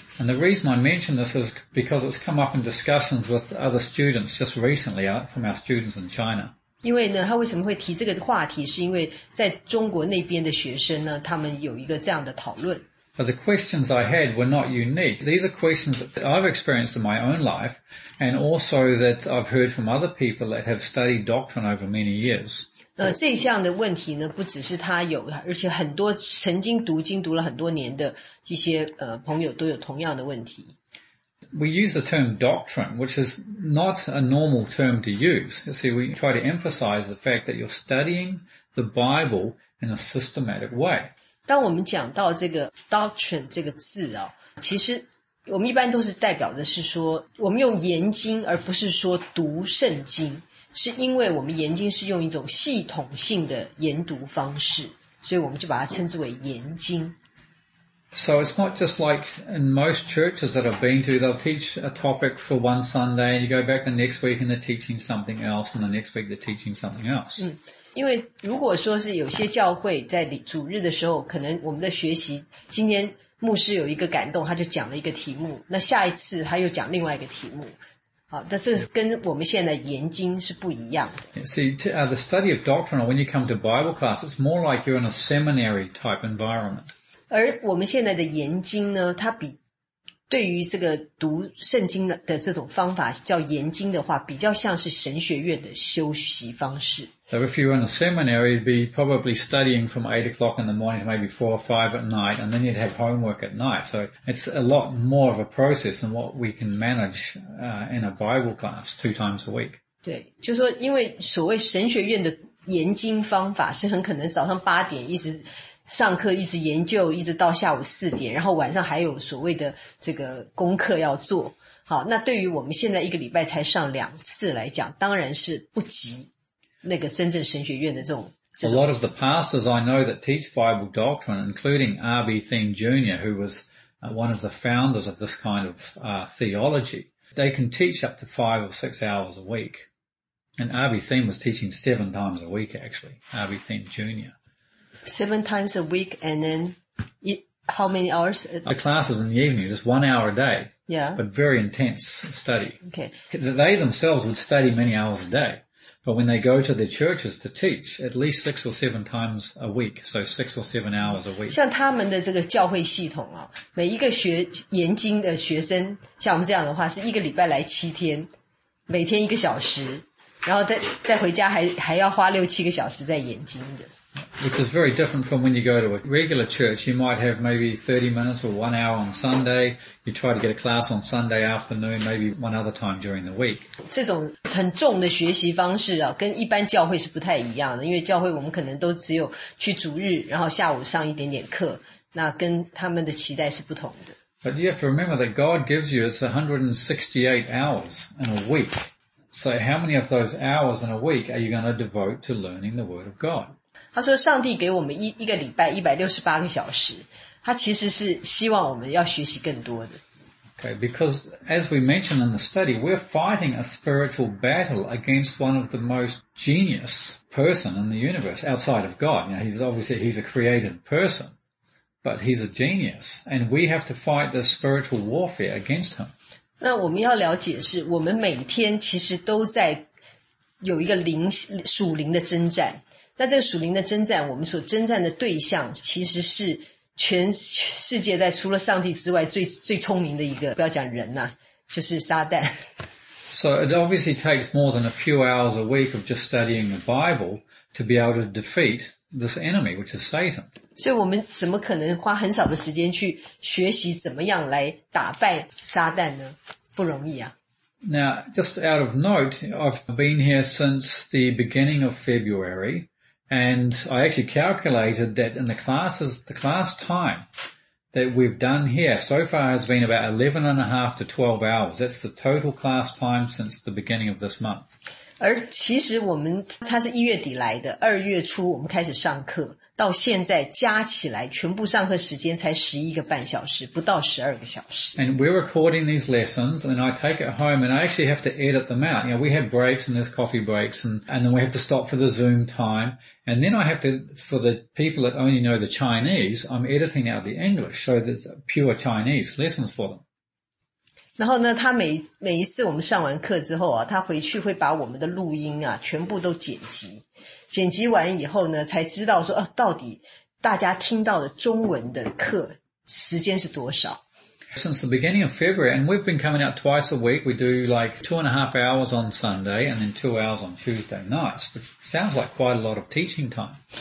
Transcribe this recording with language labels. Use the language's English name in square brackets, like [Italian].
[English] And the reason I mention this is because it's come up in discussions with other students just recently from our students in China. [Chinese] 因为呢，他为什么会提这个话题，是因为在中国那边的学生呢，他们有一个这样的讨论。 [English] But the questions I had were not unique. These are questions that I've experienced in my own life and also that I've heard from other people that have studied doctrine over many years. [Chinese] 这项的问题呢不只是他有而且很多曾经读经读了很多年的一些朋友都有同样的问题。 [English] We use the term doctrine, which is not a normal term to use. You see, we try to emphasize the fact that you're studying the Bible in a systematic way. [Chinese] 当我们讲到这个 doctrine 这个字啊，其实我们一般都是代表的是说，我们用研经而不是说读圣经，是因为我们研经是用一种系统性的研读方式，所以我们就把它称之为研经。 [English] So it's not just like in most churches that I've been to, they'll teach a topic for one Sunday, and you go back the next week and they're teaching something else, and the next week they're teaching something else. [Chinese] 因为如果说是有些教会在主日的时候可能我们的学习今天牧师有一个感动他就讲了一个题目那下一次他又讲另外一个题目好，那这跟我们现在研经是不一样的 [English] See, the study of doctrine when you come to Bible class it's more like you're in a seminary type environment [Chinese] 而我们现在的研经呢它比对于这个读圣经的这种方法叫研经的话比较像是神学院的修习方式 [English] So if you were in a seminary, you'd be probably studying from 8 o'clock in the morning to maybe 4 or 5 at night, and then you'd have homework at night. So it's a lot more of a process than what we can manage, in a Bible class 2 times a week. [Chinese] 对，就说因为所谓神学院的研经方法是很可能早上八点一直上课，一直研究，一直到下午四点，然后晚上还有所谓的这个功课要做。好，那对于我们现在一个礼拜才上两次来讲，当然是不急。那个真正神学院的这种 [English] A lot of the pastors I know that teach Bible doctrine, including R.B. Thing Jr., who was one of the founders of this kind of theology, they can teach up to 5 or 6 hours a week. And R.B. Thing was teaching 7 times a week, actually, R.B. Thing Jr. 7 times a week and then how many hours? The classes in the evening, just 1 hour a day. Yeah. But very intense study. Okay. They themselves would study many hours a day. But when they go to the churches to teach, at least 6 or 7 times a week, so 6 or 7 hours a week. [Chinese] 像他们的这个教会系统啊，每一个学研经的学生，像我们这样的话，是一个礼拜来7天，每天一个小时，然后再回家还要花6、7个小时在研经的。 [English] Which is very different from when you go to a regular church. You might have maybe 30 minutes or 1 hour on Sunday. You try to get a class on Sunday afternoon, maybe one other time during the week. [Chinese] 这种很重的学习方式啊，跟一般教会是不太一样的。因为教会我们可能都只有去主日，然后下午上一点点课，那跟他们的期待是不同的。 [English] But you have to remember that God gives you it's 168 hours in a week. So how many of those hours in a week are you going to devote to learning the Word of God? [Chinese] 他说上帝给我们一个礼拜168个小时他其实是希望我们要学习更多的。 [English] Okay, because as we mentioned in the study, we're fighting a spiritual battle against one of the most genius person in the universe outside of God. Now, he's obviously a created person, but he's a genius, and we have to fight the spiritual warfare against him. [Chinese] 那我们要了解是我们每天其实都在有一个属灵的征战。那这个属灵的征战我们所征战的对象其实是全世界在除了上帝之外最聪明的一个不要讲人啊就是撒旦 [English] So it obviously takes more than a few hours a week of just studying the Bible to be able to defeat this enemy which is Satan [Chinese] 所以我们怎么可能花很少的时间去学习怎么样来打败撒旦呢不容易啊 [English] Now just out of note I've been here since the beginning of FebruaryAnd I actually calculated that in the class time that we've done here so far has been about 11 and a half to 12 hours. That's the total class time since the beginning of this month. [Chinese] 而其实我们它是一月底来的二月初我们开始上课到现在加起来全部上课时间才11个半小时不到12个小时。 [English] And we're recording these lessons and I take it home and I actually have to edit them out. You know, we have breaks and there's coffee breaks and then we have to stop for the Zoom time. And then I have to, for the people that only know the Chinese, I'm editing out the English so there's pure Chinese lessons for them. [Chinese] 然后呢，他每一次我们上完课之后啊，他回去会把我们的录音啊全部都剪辑，剪辑完以后呢，才知道说，到底大家听到的中文的课时间是多少。 [English] Since the beginning of February, and we've been coming out twice a week, we do like 2.5 hours on Sunday and then 2 hours on Tuesday nights, which sounds like quite a lot of teaching time.